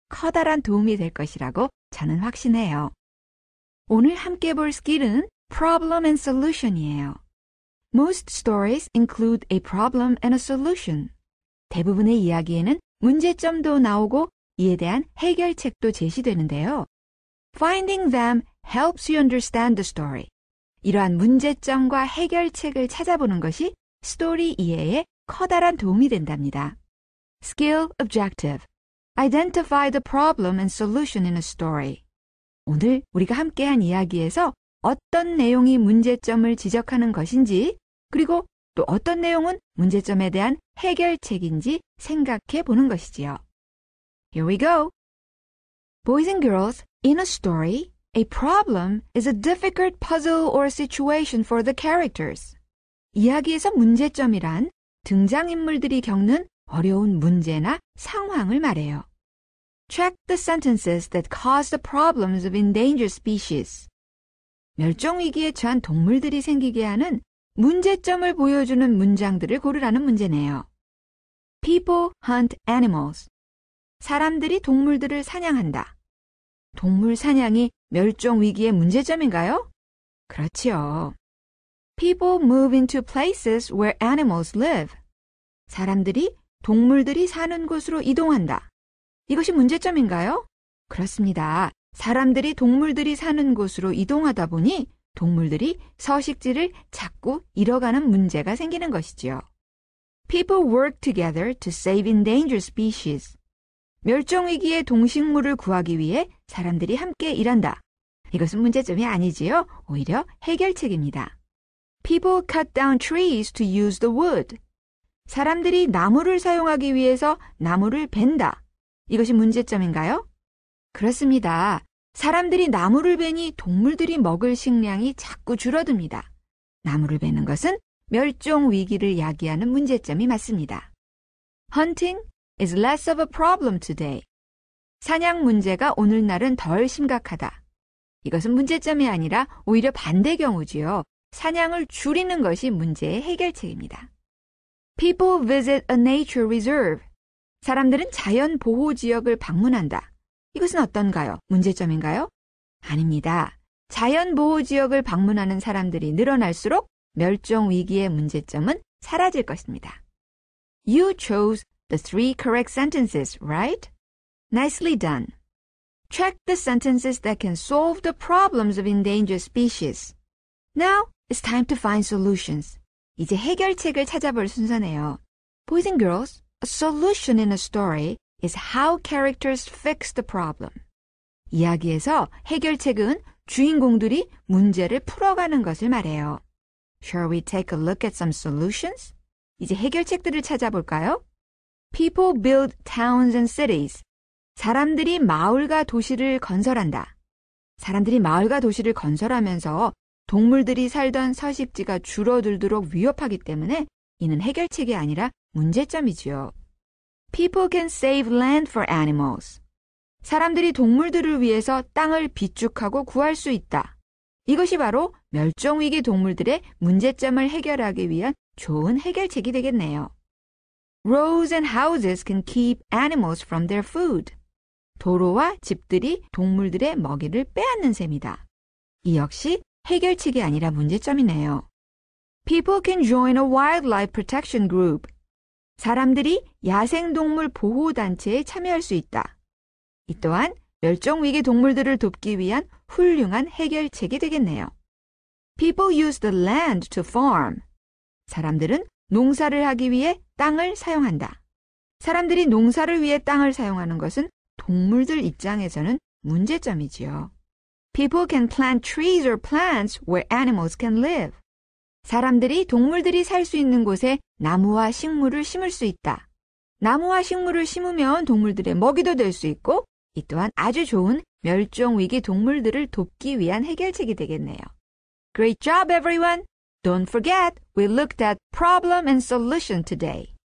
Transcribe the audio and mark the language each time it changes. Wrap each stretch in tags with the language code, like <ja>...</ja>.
<ko>커다란 도움이 될 것이라고 저는 확신해요. 오늘 함께 볼 스킬은</ko> <en>problem and solution</en> <ko>이에요.</ko> <en>Most stories include a problem and a solution.</en> <ko>대부분의 이야기에는 문제점도 나오고 이에 대한 해결책도 제시되는데요.</ko> <en>Finding them helps you understand the story.</en> <ko>이러한 문제점과 해결책을 찾아보는 것이 스토리 이해에 커다란 도움이 된답니다.</ko> <en>Skill Objective. Identify the problem and solution in a story.</en> <ko>오늘 우리가 함께한 이야기에서 어떤 내용이 문제점을 지적하는 것인지 그리고 또 어떤 내용은 문제점에 대한 해결책인지 생각해 보는 것이지요.</ko> <en>Here we go. Boys and girls, in a story, a problem is a difficult puzzle or situation for the characters.</en> <ko>이야기에서 문제점이란 등장인물들이 겪는 어려운 문제나 상황을 말해요.</ko> <en>Check the sentences that cause the problems of endangered species.</en> <ko>멸종위기에 처한 동물들이 생기게 하는 문제점을 보여주는 문장들을 고르라는 문제네요.</ko> <en>People hunt animals.</en> <ko>사람들이 동물들을 사냥한다. 동물 사냥이 멸종위기의 문제점인가요? 그렇지요.</ko> <en>People move into places where animals live.</en> <ko>사람들이 동물들이 사는 곳으로 이동한다. 이것이 문제점인가요? 그렇습니다. 사람들이 동물들이 사는 곳으로 이동하다 보니 동물들이 서식지를 자꾸 잃어가는 문제가 생기는 것이지요.</ko> <en>People work together to save endangered species.</en> <ko>멸종위기의 동식물을 구하기 위해 사람들이 함께 일한다. 이것은 문제점이 아니지요. 오히려 해결책입니다.</ko> <en>People cut down trees to use the wood.</en> <ko>사람들이 나무를 사용하기 위해서 나무를 벤다. 이것이 문제점인가요? 그렇습니다. 사람들이 나무를 베니 동물들이 먹을 식량이 자꾸 줄어듭니다. 나무를 베는 것은 멸종 위기를 야기하는 문제점이 맞습니다.</ko> <en>Hunting is less of a problem today.</en> <ko>사냥 문제가 오늘날은 덜 심각하다. 이것은 문제점이 아니라 오히려 반대 경우지요. 사냥을 줄이는 것이 문제의 해결책입니다.</ko> <en>People visit a nature reserve.</en> <ko>사람들은 자연 보호 지역을 방문한다. 이것은 어떤가요? 문제점인가요? 아닙니다. 자연보호지역을 방문하는 사람들이 늘어날수록 멸종위기의 문제점은 사라질 것입니다.</ko> <en>You chose the three correct sentences, right? Nicely done. Check the sentences that can solve the problems of endangered species. Now it's time to find solutions.</en> <ko>이제 해결책을 찾아볼 순서네요.</ko> <en>Boys and girls, a solution in a story is how characters fix the problem.</en> <ko>이야기에서 해결책은 주인공들이 문제를 풀어가는 것을 말해요.</ko> <en>Shall we take a look at some solutions?</en> <ko>이제 해결책들을 찾아볼까요?</ko> <en>People build towns and cities.</en> <ko>사람들이 마을과 도시를 건설한다. 사람들이 마을과 도시를 건설하면서 동물들이 살던 서식지가 줄어들도록 위협하기 때문에 이는 해결책이 아니라 문제점이지요.</ko> <en>People can save land for animals.</en> <ko>사람들이 동물들을 위해서 땅을 비축하고 구할 수 있다. 이것이 바로 멸종위기 동물들의 문제점을 해결하기 위한 좋은 해결책이 되겠네요.</ko> <en>Roads and houses can keep animals from their food.</en> <ko>도로와 집들이 동물들의 먹이를 빼앗는 셈이다. 이 역시 해결책이 아니라 문제점이네요.</ko> <en>People can join a wildlife protection group.</en> <ko>사람들이 야생동물 보호단체에 참여할 수 있다. 이 또한 멸종위기 동물들을 돕기 위한 훌륭한 해결책이 되겠네요.</ko> <en>People use the land to farm.</en> <ko>사람들은 농사를 하기 위해 땅을 사용한다. 사람들이 농사를 위해 땅을 사용하는 것은 동물들 입장에서는 문제점이지요.</ko> <en>People can plant trees or plants where animals can live.</en> <ko>사람들이 동물들이 살 수 있는 곳에 나무와 식물을 심을 수 있다. 나무와 식물을 심으면 동물들의 먹이도 될 수 있고 이 또한 아주 좋은 멸종위기 동물들을 돕기 위한 해결책이 되겠네요.</ko> <en>Great job, everyone! Don't forget, we looked at problem and solution today.</en>